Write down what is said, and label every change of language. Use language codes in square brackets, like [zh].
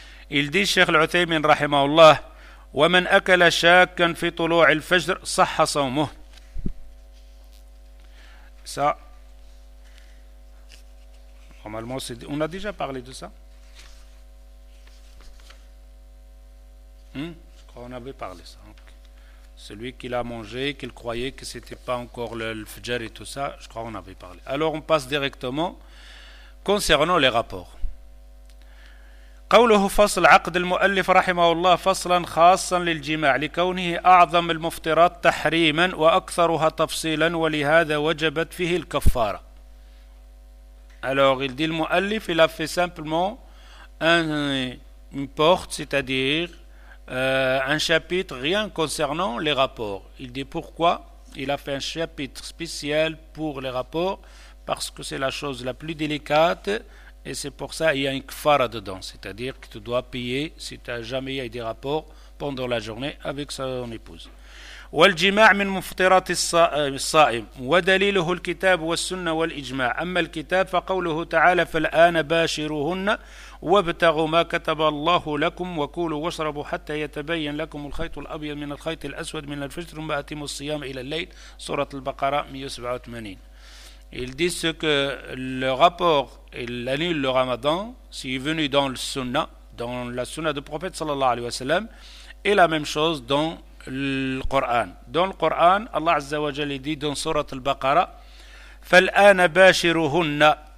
[fr] Il dit, Cheikh Al-Uthaymin rahimahullah, « [ar] وَمَنْ أَكَلَ شَاكًا فِي طُلُوعِ الْفَجْرِ صَحَّ صَوْمُهُ [fr] » Ça, normalement, on a déjà parlé de ça. On avait parlé de ça. Celui qui l'a mangé, qu'il croyait que c'était pas encore le fajr et tout ça, je crois qu'on avait parlé. Alors on passe directement concernant les rapports. [ar] قوله فصل عقد المؤلف رحمه الله فصلا خاصا للجماع لكونه أعظم المفطرات تحريما وأكثرها تفصيلا ولهذا وجبت فيه الكفارة. [fr] Alors il dit le مؤلف, il a fait simplement une porte, c'est-à-dire un chapitre rien concernant les rapports. Il dit pourquoi il a fait un chapitre spécial pour les rapports, parce que c'est la chose la plus délicate, et c'est pour ça qu'il y a une kfara dedans, c'est-à-dire que tu dois payer si tu n'as jamais eu des rapports pendant la journée avec son épouse. [ar] والجماع من مفطرات الصائم ودليله الكتاب والسنة والإجماع أما الكتاب فقوله تعالى فالآن باشروهن وابتغوا ما كتب الله لكم وكلوا واشربوا حتى يتبين لكم الخيط الأبيض من الخيط الأسود من الفجر ثم أتموا الصيام إلى الليل سورة البقرة 187. [fr] Il dit ce que le rapport il annule le ramadan s'il est venu dans le sunna, dans la sunna du prophète sallallahu alayhi wa sallam, et la même chose dans le Coran. Dans le Coran, Allah Azza wa Jalla dit dans Sourate Al-Baqara, [ar] فَالْآنَ بَاشِرُهُنَّ.